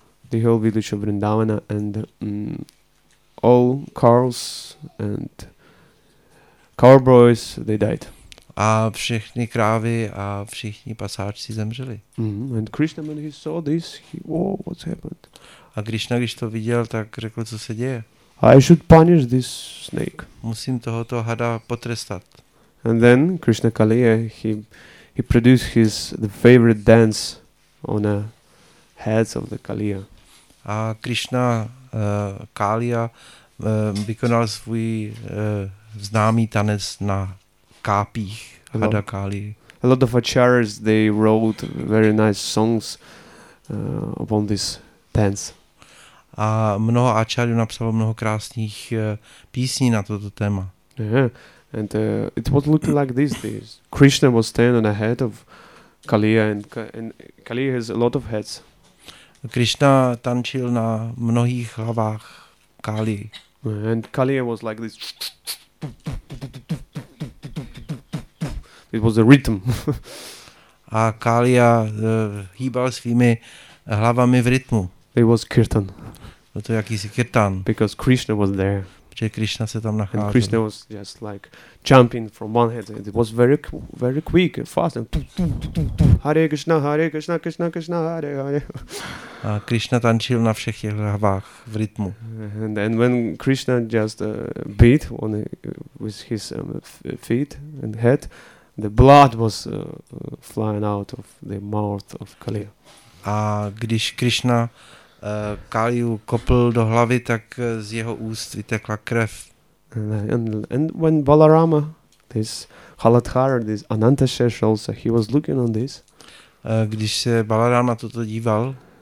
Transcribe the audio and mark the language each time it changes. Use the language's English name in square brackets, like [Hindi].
[English] The whole village of Vrindavana and all cows and cowboys, they died. [Czech] a všechny krávy a všichni pasáčci zemřeli. Mm-hmm. [English] And Krishna, when he saw this, he, oh, what's happened? [Czech] A Krishna, když to viděl, tak řekl, co se děje. [English] I should punish this snake. [Czech] Musím tohoto hada potrestat. [English] And then Krishna Kaliya, he produced his the favorite dance on the heads of the Kaliya. [Czech] A Krishna Kaliya vykonal svůj známý tanec na kápích hada Kali. [English] A lot of acharyas, they wrote very nice songs upon this dance. [Czech] A mnoho acharyů napsalo mnoho krásných písní na toto téma. [English] Yeah. And it was looking like this. This Krishna was standing on the head of Kaliya, and Kaliya has a lot of heads. [Czech] Krishna tančil na mnohých hlavách Kali. [English] And Kaliya was like this. It was a rhythm. [Czech] A Kaliya hýbal svými hlavami v rytmu. [English] It was kirtan. [Czech] Byl to jakýsi kirtan. [English] Because Krishna was there. [Czech] Že Krishna se tam nacházel. [English] And Krishna was just like jumping from one head. It was very, very quick, fast. And Hare Krishna, Krishna, Krishna, Hare Hare. [Czech] A Krishna tančil na všech těch hlavách v rytmu. [English] And then when Krishna just beat on with his feet and head, the blood was flying out of the mouth of Kaliya. [Czech] A když Krishna Kaliu kopl do hlavy, tak z jeho úst vytekla krev. [English] And when Balarama, this Haladhara, this Ananta Shesha, he was looking on this. [Czech] Když se Balarama toto díval,